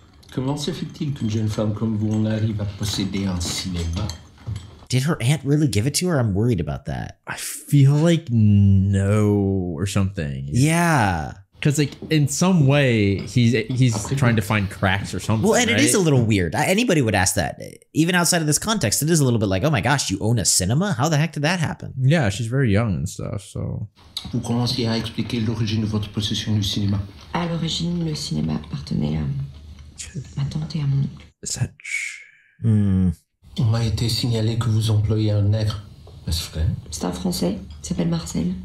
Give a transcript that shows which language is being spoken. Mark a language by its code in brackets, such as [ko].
[fr] Comment se fait-il qu'une jeune femme comme vous en arrive à posséder un cinéma? [en] Did her aunt really give it to her? I'm worried about that. I feel like no or something. Yeah. Because, like, in some way, he's trying to find cracks or something, Well, and right? it is a little weird. Anybody would ask that. Even outside of this context, it is a little bit like, oh my gosh, you own a cinema? How the heck did that happen? Yeah, she's very young and stuff, so. [fr] Vous commencez à expliquer l'origine de votre possession du cinéma. À l'origine, le cinéma appartenait à ma tante et à mon oncle. [en] Is that true? [fr] On m'a été signalé que vous employez un nègre. C'est un français, il s'appelle Marcel.